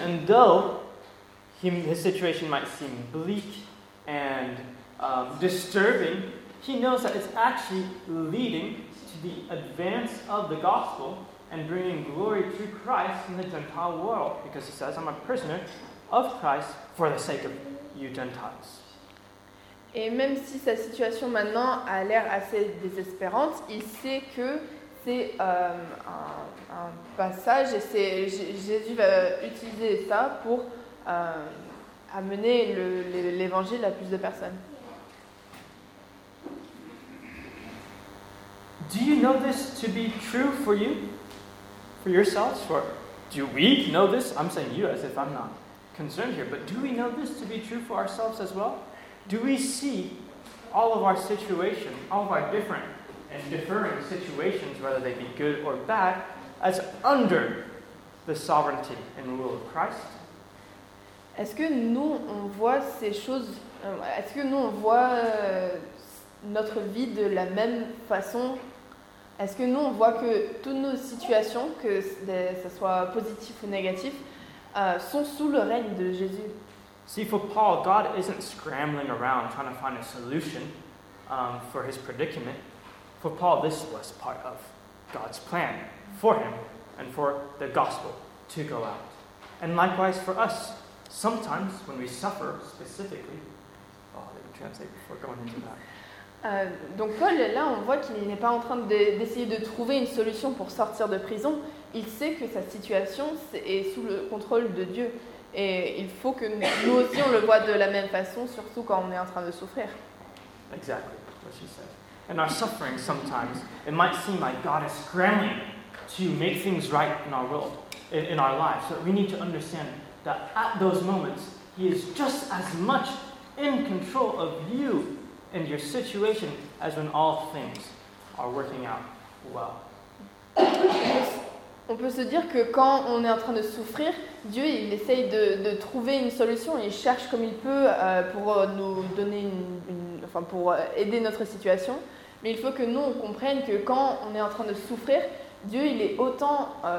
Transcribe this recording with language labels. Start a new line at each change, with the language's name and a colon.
English: And though his situation might seem bleak and disturbing, he knows that it's actually leading to the advance of the gospel and bringing glory to Christ in the Gentile world. Because he says, I'm a prisoner of Christ for the sake of you Gentiles.
French: Et même si sa situation maintenant a l'air assez désespérante, il sait que c'est un passage et c'est Jésus va utiliser ça pour amener l'évangile à plus de personnes.
English: Do you know this to be true for you? For yourselves? Or do we know this? I'm saying you as if I'm not concerned here, but do we know this to be true for ourselves as well? Do we see all of our situation, all of our different and differing situations, whether they be good or bad, as under the sovereignty and rule of Christ?
French: Est-ce que nous on voit ces choses? Est-ce que nous on voit notre vie de la même façon? Est-ce que nous on voit que toutes nos situations, que ça soit positif ou négatif, sont sous le règne de Jésus?
English: See, for Paul, God isn't scrambling around trying to find a solution for his predicament. For Paul, this was part of God's plan for him and for the gospel to go out. And likewise for us, sometimes when we suffer specifically... Oh, let me translate before going into that.
French: Donc Paul, là, on voit qu'il n'est pas en train d'essayer de trouver une solution pour sortir de prison. Il sait que sa situation est sous le contrôle de Dieu. Et il faut que nous aussi, on le voit de la même façon, surtout quand on est en train de souffrir.
English: Exactly what she said. And our suffering, sometimes, it might seem like God is scrambling to make things right in our world, in our lives. But we need to understand that at those moments, he is just as much in control of you and your situation as when all things are working out well.
French: On peut se dire que quand on est en train de souffrir, Dieu, il essaye de trouver une solution. Il cherche comme il peut pour nous donner pour aider notre situation. Mais il faut que nous, on comprenne que quand on est en train de souffrir, Dieu, il est autant...